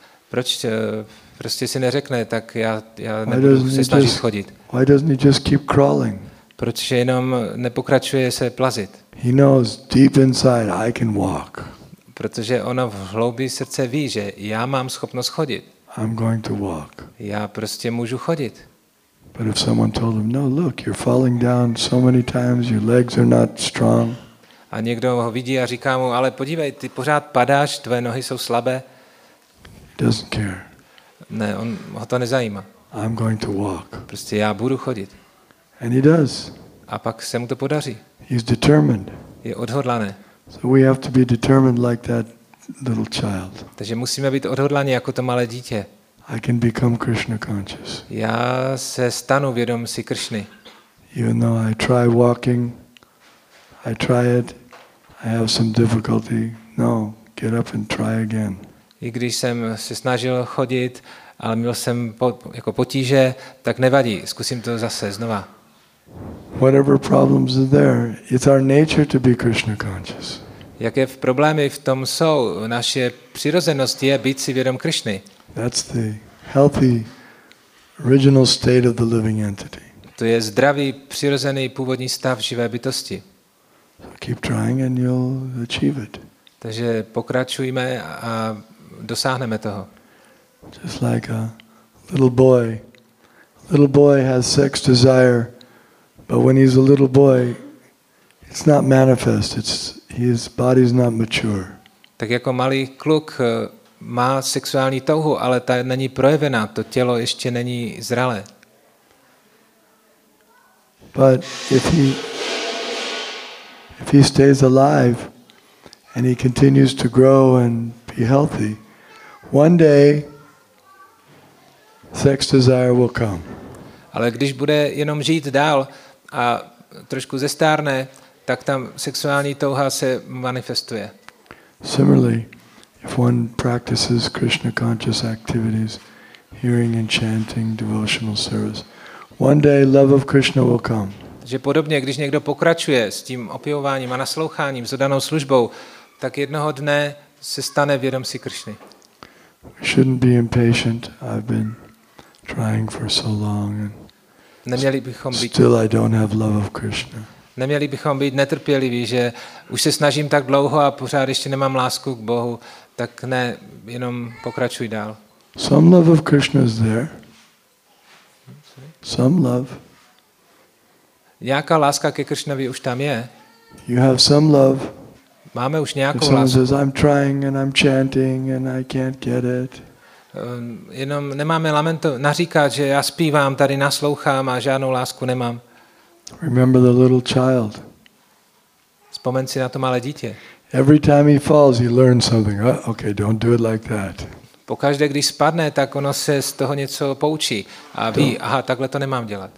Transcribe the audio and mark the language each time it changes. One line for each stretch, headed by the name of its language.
Czech: Proč to prostě si neřekne, tak já nebudu se snažit chodit.
English: Why doesn't he just keep crawling?
Czech: Proč jenom nepokračuje se plazit?
English: He knows deep inside I can walk.
Czech: Protože ono v hloubi srdce ví, že já mám schopnost chodit.
English: I'm going to walk.
Czech: Já prostě můžu chodit.
English: But if someone told him, no, look, you're falling down so many times, your legs are not strong.
Czech: A někdo ho vidí a říká mu, ale podívej, ty pořád padáš, tvoje nohy jsou slabé.
English: He doesn't care.
Czech: Ne, on ho to nezajímá.
English: I'm going to walk.
Czech: Prostě já budu chodit.
English: And he does.
Czech: A pak se mu to podaří.
English: He's determined.
Czech: Je odhodlaný.
English: So we have to be determined like that little child.
Czech: Takže musíme být odhodlaní jako to malé dítě.
English: I can become Krishna conscious.
Czech: Já se stanu vědom si Kršny.
English: Even though I try walking, I try it, I have some difficulty. No, get up and try again.
Czech: I když jsem se snažil chodit, ale měl jsem jako potíže, tak nevadí, zkusím to zase znova.
English: Whatever problems are there, it's our nature to be Krishna conscious.
Czech: Jaké problémy v tom jsou, naše přirozenost je být si vědom Krishny.
English: That's the healthy original state of the living entity.
Czech: To je zdravý přirozený původní stav živé bytosti.
English: So keep trying and you'll achieve it.
Czech: Takže pokračujme a dosáhneme toho.
English: Just like a little boy. A little boy has sex desire, but when he's a little boy, it's not manifest. His body's not mature.
Czech: Tak jako malý kluk má sexuální touhu, ale ta není projevená, to tělo ještě není zralé.
English: But if he stays alive and he continues to grow and be healthy, one day sex desire will come.
Czech: Ale když bude jenom žít dál a trošku zestárne, tak tam sexuální touha se manifestuje.
English: Similarly, if one practices Krishna conscious activities, hearing and chanting, devotional service, one day love of Krishna will come.
Czech: Takže podobně, když někdo pokračuje s tím opěvováním a nasloucháním, s danou službou, tak jednoho dne se stane vědom si Krishny.
English: We shouldn't be impatient. I've been trying for so long and
Czech: neměli bychom být,
English: still I don't have love of Krishna.
Czech: Neměli bychom být netrpěliví, že už se snažím tak dlouho a pořád ještě nemám lásku k Bohu, tak ne, jenom pokračuj dál.
English: Some love of Krishna is there. Some love.
Czech: Nějaká láska ke Krishnovi už tam je.
English: You have some love.
Czech: Máme už nějakou lásku.
English: I'm trying and I'm chanting and I can't get it.
Czech: Jenom nemáme naříkat, že já zpívám, tady naslouchám a žádnou lásku nemám.
English: Remember the little child.
Czech: Vzpomeň si na to malé dítě.
English: Every time he falls, he learns something. Okay, don't do it like that.
Czech: Pokaždé, když spadne, tak ono se z toho něco poučí a ví, aha, takhle to nemám dělat.